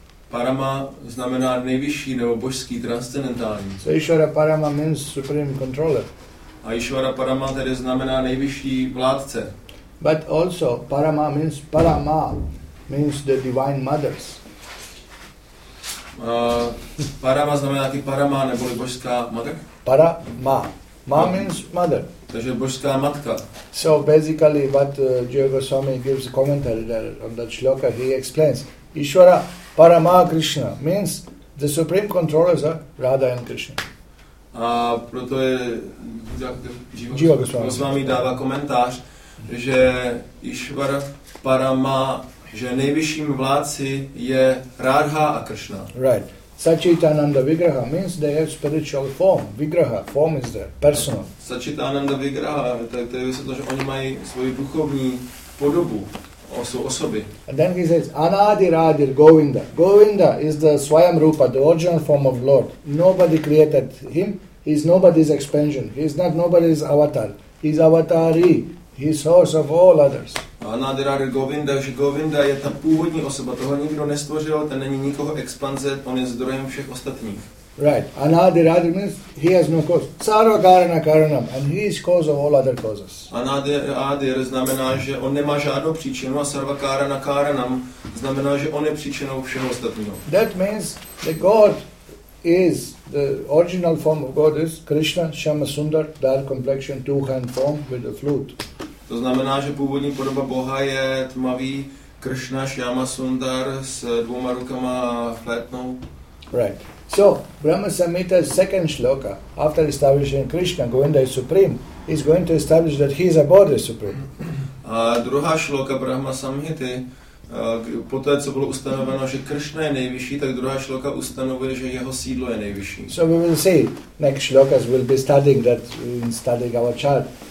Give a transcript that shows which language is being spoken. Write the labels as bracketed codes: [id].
[cs] Parama znamená nejvyšší nebo božský, transcendentální. [en] So Ishvara Parama means supreme controller. [cs] A Ishvara Parama tedy znamená nejvyšší vládce. [en] But also Parama means Parama means the divine mothers. [cs] Parama znamená taky Parama neboli božská matka. [en] Parama. Ma means mother. [cs] Takže božská matka. [en] So basically what Jiva Goswami gives a commentary there on that shloka, he explains, Ishvara Parama Krishna means the supreme controllers are Radha and Krishna. [cs] A proto je Jiva Goswami dává komentář, že Ishvara Parama, že nejvyšším vládci je Radha a Krishna. [en] Right. Sachitananda Vigraha means they have spiritual form. Vigraha, form is there, personal. [cs] Sachitananda Vigraha, to je vysvětlo, že oni mají svoji duchovní podobu, svou osoby. [en] And then he says, Anadi Radir Govinda. Govinda is the Svayam Rupa, the original form of Lord. Nobody created him. He is nobody's expansion. He is not nobody's avatar. He is avatari. He is source of all others. [cs] Anadi Radir Govinda, že Govinda je ta původní osoba. Toho nikdo nestvořil, ten není nikoho expanze, on je zdrojem všech ostatních. [en] Right. Anadi Radir means he has no cause. Sarva Karana Karanam. And he is cause of all other causes. [cs] Anadi Radir znamená, že on nemá žádnou příčinu a Sarva Karana Karanam znamená, že on je příčinou všeho ostatního. [en] That means the God is, the original form of God is Krishna, Shama Sundar, dark complexion, two-hand form with a flute. [cs] To znamená, že původní podoba Boha je tmavý Krishna Shyama Sundar s dvouma rukama a flétnou. [en] Right. So, Brahma Samhita's second shloka, after establishing Krishna, Govinda is supreme, is going to establish that he is above the supreme. [cs] A druhá shloka Brahma Samhity Po té, co bylo ustanoveno, že Kršna je nejvyšší, tak druhá šloka ustanovuje, že jeho sídlo je nejvyšší. [en] So we will see next shlokas will be studying that in studying our chart.